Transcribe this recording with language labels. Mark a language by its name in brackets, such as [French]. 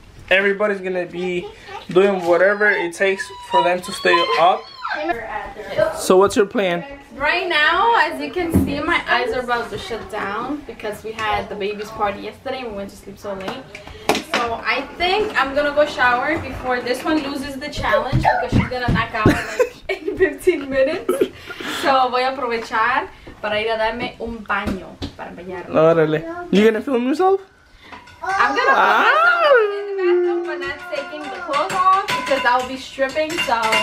[English] Everybody's gonna be doing whatever it takes for them to stay up. So, what's your plan? Right now, as you can see, my eyes are about to shut down because we had the baby's party yesterday and we went to sleep so late. So I think I'm gonna go shower before this one loses the challenge because she's gonna knock out in like 15 minutes. [Spanish] So voy a aprovechar para ir a darme un baño para bañarme. [English] Órale. You gonna film yourself? I'm gonna film myself in the bathroom but not taking the clothes off because I'll be stripping, so.